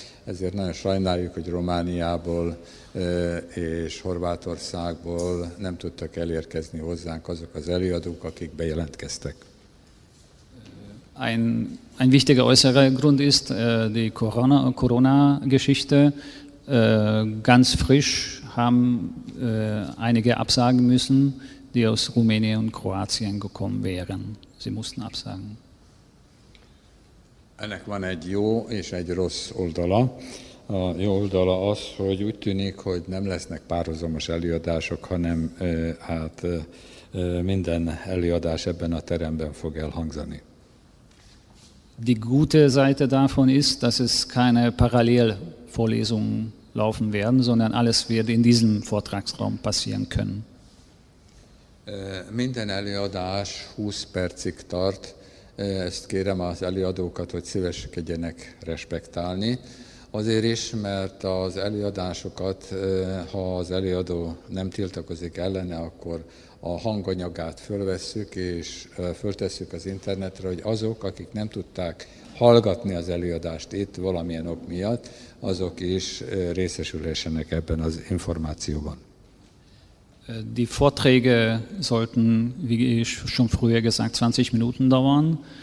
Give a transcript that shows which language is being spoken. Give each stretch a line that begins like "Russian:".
Hungarian: Ezért nagyon sajnáljuk, hogy Romániából és Horvátországból nem tudtak elérkezni hozzánk azok az előadók, akik bejelentkeztek.
German: Ein wichtiger äußerer Grund ist die Corona-Geschichte. Ganz frisch haben einige absagen müssen, die aus Rumänien und Kroatien gekommen wären. Sie mussten absagen.
Hungarian: Ennek van egy jó és egy rossz oldala. A jó oldala az, hogy úgy tűnik, hogy nem lesznek párhuzamos előadások, hanem hát minden előadás ebben a teremben fog elhangzani.
German: Die gute Seite davon ist, dass es keine Parallelvorlesungen laufen werden, sondern alles wird in diesem Vortragsraum passieren können.
Hungarian: Minden előadás 20 percig tart. Ezt kérem az előadókat, hogy szíveskedjenek respektálni. Azért is, mert az előadásokat, ha az előadó nem tiltakozik ellene, akkor a hanganyagát fölvesszük és föltesszük az internetre, hogy azok, akik nem tudták hallgatni az előadást itt valamilyen ok miatt, azok is részesülhessenek ebben az információban.
German: Die Vorträge sollten, wie ich schon früher gesagt, 20 Minuten dauern.